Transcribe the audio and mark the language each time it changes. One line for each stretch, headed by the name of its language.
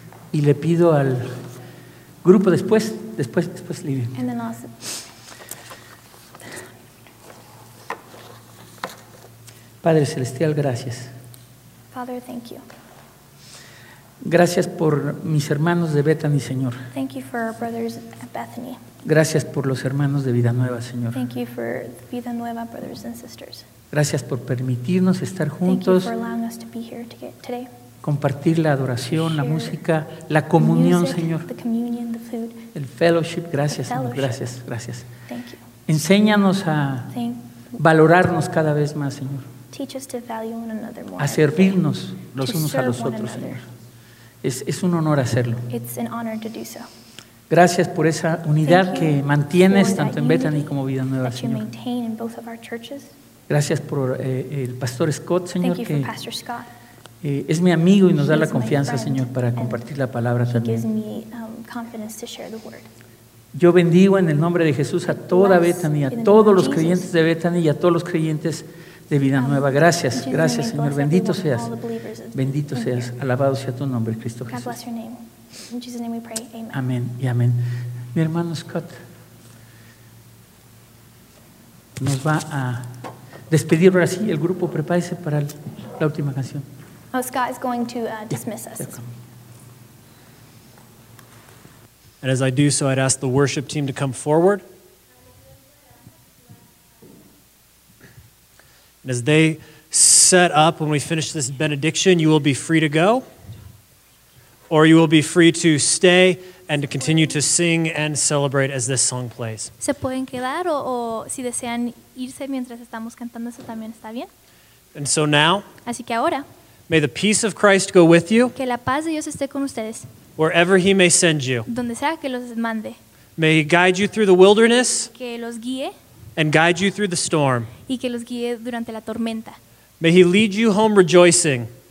Spanish: Y le pido al grupo después, Lidia. Padre Celestial, gracias.
English: Father, thank you.
Spanish: Gracias por mis hermanos de Bethany, Señor.
English: Thank you for our brothers at Bethany.
Spanish: Gracias por los hermanos de Vida Nueva, Señor.
English: Thank you for Vida Nueva, brothers and sisters.
Spanish: Gracias por permitirnos estar juntos.
English: Thank you for allowing us to be here today.
Spanish: Compartir la adoración, la música, la comunión,
English: music,
Spanish: Señor.
English: The communion, the food.
Spanish: El fellowship, gracias, Señor. Gracias, gracias.
English: Thank you.
Spanish: Enséñanos a valorarnos cada vez más, Señor.
English: Teach us to value one another more.
Spanish: A servirnos los unos a los otros, Señor. Es un honor hacerlo.
English: It's an honor to do so.
Spanish: Gracias por esa unidad que mantienes tanto en Bethany como Vida Nueva,
English: that
Spanish: Señor.
English: You maintain in both of our churches.
Spanish: Gracias por el Pastor Scott, Señor.
English: Thank you for Pastor Scott.
Spanish: Es mi amigo y nos da la confianza, Señor, para compartir la palabra también.
English: Gives me, confidence to share the word.
Spanish: Yo bendigo en el nombre de Jesús a toda Bethany, a todos los creyentes de Bethany y a todos los creyentes de Vida Nueva. Gracias, gracias, Señor. Bendito seas. Bendito seas. Alabado sea tu nombre, Cristo Jesús.
English: God bless your name. In Jesus' name we pray. Amen.
Spanish: Amén y amén. Mi hermano Scott nos va a despedir ahora sí. El grupo, prepárese para la última canción.
English: Oh, Scott is going to dismiss us. And as I do so, I'd ask the worship team to come forward. And as they set up, when we finish this benediction, you will be free to go. Or you will be free to stay and to continue to sing and celebrate as this song plays.
Spanish: Se pueden quedar o si desean irse mientras estamos cantando, eso también está bien.
English: And so now,
Spanish: así que ahora,
English: may the peace of Christ go with you.
Spanish: Que la paz de Dios esté con ustedes.
English: Wherever he may send you.
Spanish: Donde sea que los mande.
English: May he guide you through the wilderness.
Spanish: Que los guíe.
English: And guide you through the storm.
Spanish: Y que los guíe durante la tormenta.
English: May he lead you home rejoicing.